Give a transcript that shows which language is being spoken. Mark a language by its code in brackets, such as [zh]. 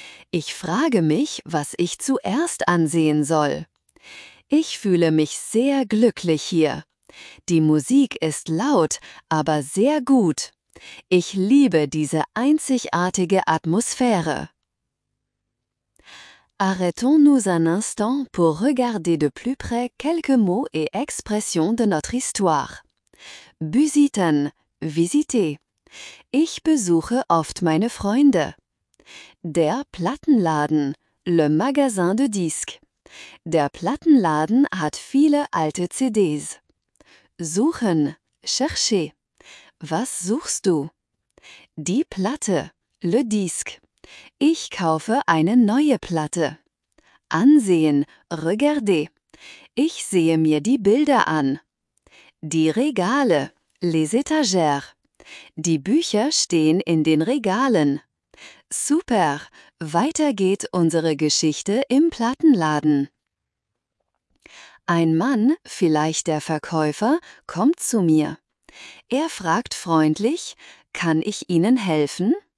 [de] Ich frage mich, was ich zuerst ansehen soll. Ich fühle mich sehr glücklich hier. Die Musik ist laut, aber sehr gut. Ich liebe diese einzigartige Atmosphäre. [fr] Arrêtons-nous un instant pour regarder de plus près quelques mots et expressions de notre histoire. [de] Busiten, [fr] visiter. [de] Ich besuche oft meine Freunde. Der Plattenladen, [fr] le magasin de disques. [de] Der Plattenladen hat viele alte CDs. Suchen, [fr] chercher. [de] Was suchst du? Die Platte, [fr] le disque. [de] Ich kaufe eine neue Platte. Ansehen, [fr] regarder. [de] Ich sehe mir die Bilder an. Die Regale, [fr] les étagères. [de] Die Bücher stehen in den Regalen. Super, weiter geht unsere Geschichte im Plattenladen. Ein Mann, vielleicht der Verkäufer, kommt zu mir. Er fragt freundlich, kann ich Ihnen helfen?